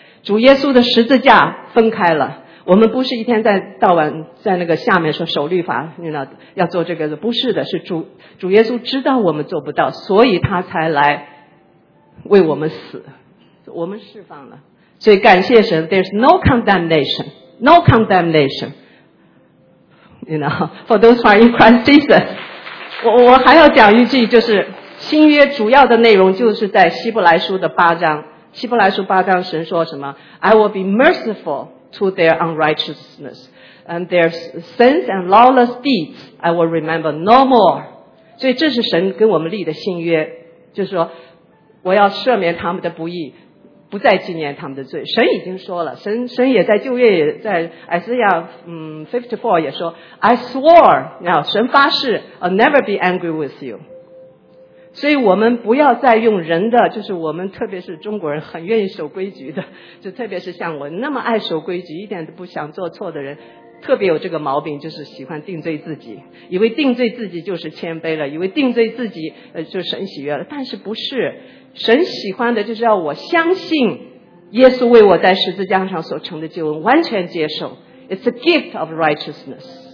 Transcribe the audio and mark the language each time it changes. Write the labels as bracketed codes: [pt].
[zh] 主耶稣的十字架分开了，我们不是一天在到晚在那个下面说守律法，你知道要做这个，不是的，是主耶稣知道我们做不到，所以他才来为我们死，我们释放了。所以感谢神， [en] There's no condemnation， no condemnation， you know， for those who are in Christ Jesus。 [zh] 我还要讲一句，就是新约主要的内容就是在希伯来书的8章。希伯来书8章神说什么？ [en] I will be merciful to their unrighteousness。 and their sins and lawless deeds, I will remember no more. [zh] 所以这是神跟我们立的新约，就是说我要赦免他们的不义，不再纪念他们的罪。神已经说了，神也在旧约，也在 Isaiah 54也说 [en] I swore, [zh] 神发誓 [en] I'll never be angry with you。 [zh] 所以我们不要再用人的，就是我们特别是中国人很愿意守规矩的，就特别是像我那么爱守规矩一点都不想做错的人，特别有这个毛病，就是喜欢定罪自己，以为定罪自己就是谦卑了，以为定罪自己就神喜悦了，但是不是，神喜欢的就是要我相信耶稣为我在十字架上所成的救恩，完全接受 [en] It's a gift of righteousness